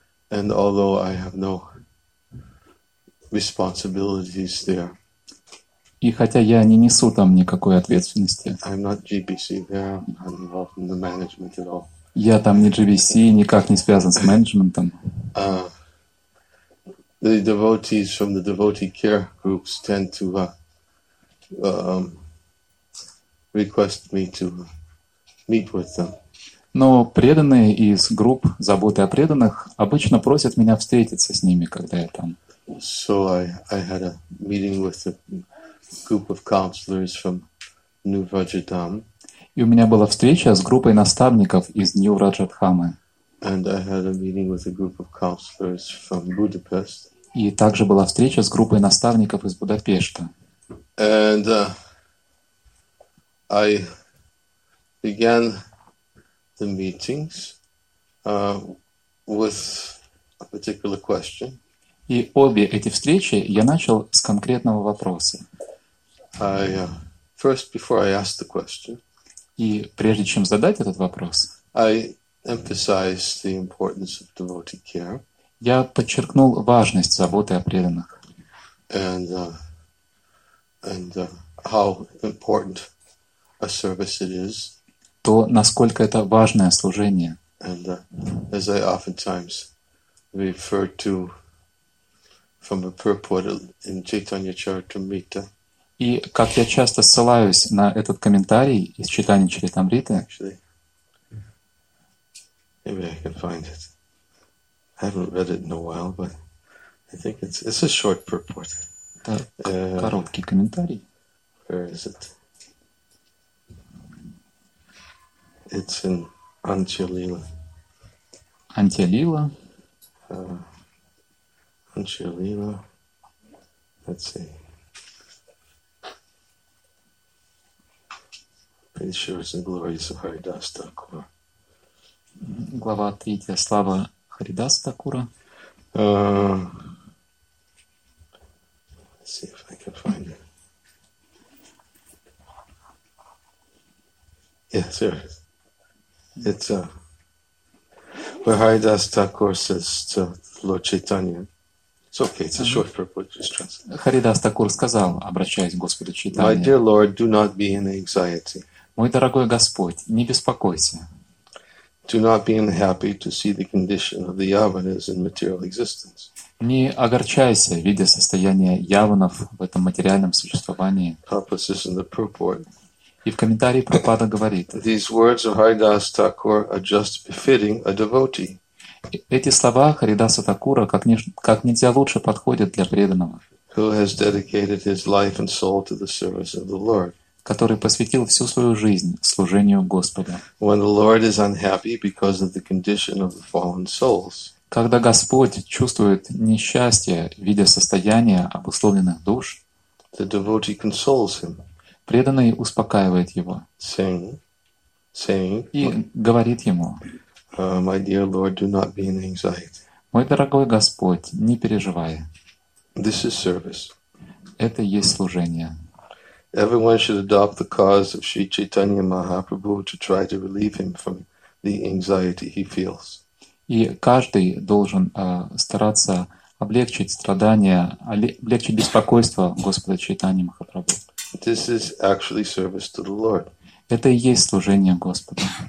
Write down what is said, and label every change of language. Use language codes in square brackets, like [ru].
[en] And although I have no responsibilities there. [ru] И хотя я не несу там никакой ответственности. [en] I'm not GBC there. I'm involved in the management at all. [ru] Я там не GBC, никак не связан с менеджментом. [en] The devotees from the devotee care groups tend to request me to meet with them. [ru] Но преданные из групп заботы о преданных обычно просят меня встретиться с ними, когда я там. [en] So I had a meeting with a group of counselors from New Rajadham. [ru] И у меня была встреча с группой наставников из New Rajadhamы. [en] And I had a meeting with a group of counselors from Budapest. [ru] И также была встреча с группой наставников из Будапешта. [en] And I began the meetings with a particular question. [ru] И обе эти встречи я начал с конкретного вопроса. [en] First, before I asked the question, [ru] и прежде чем задать этот вопрос, [en] I emphasized the importance of devotee care. [ru] Я подчеркнул важность заботы о преданных. [en] And how important a service it is. [ru] То, насколько это важное служение. [en] And as I oftentimes refer to from a purport in Chaitanya Charitamrita. [ru] И как я часто ссылаюсь на этот комментарий из Чайтанья Чаритамриты. [en] Actually, maybe I can find it. I haven't read it in a while, but I think it's a short purport. [ru] Короткий комментарий. [en] Where is it? It's in Antyalila. Antyalila. Antyalila, let's see. Pretty sure it's in Glories of Haridasa Thakura. [ru] Глава третья, слава Харидаса Такура. [en] Let's see if I can find it. Yeah, there it is. It's where Haridasa Thakura says to Lord Chaitanya. It's okay, it's a short purport, just translate. [ru] Харидас Такур сказал, обращаясь к Господу Чайтанье. [en] My dear Lord, do not be in anxiety. [ru] Мой дорогой Господь, не беспокойся. [en] Do not be unhappy to see the condition of the yavanas in material existence. [ru] Не огорчайся, видя состояние яванов в этом материальном существовании. [en] Prabhupada says in the purport. [ru] И в комментарии Прабхупада говорит. [en] These words of Харидас Такур are just befitting a devotee. [ru] Эти слова Харидаса Такура как нельзя лучше подходят для преданного, [en] who has dedicated his life and soul to the service of the Lord. [ru] Который посвятил всю свою жизнь служению Господу. [en] When the Lord is unhappy because of the condition of the fallen souls. [ru] Когда Господь чувствует несчастье, видя состояние обусловленных душ, [en] the devotee consoles him, [ru] преданный успокаивает его и говорит ему: [en] my dear Lord, do not be in anxiety. [ru] Мой дорогой Господь, не переживай. [en] This is service. [ru] Это и есть служение. [en] Everyone should adopt the cause of Sri Chaitanya Mahaprabhu to try to relieve him from the anxiety he feels. [ru] И каждый должен стараться облегчить страдания, облегчить беспокойство Господа Чайтаньи Махапрабху. [en] This is actually service to the Lord. [ru] Это и есть служение Господу.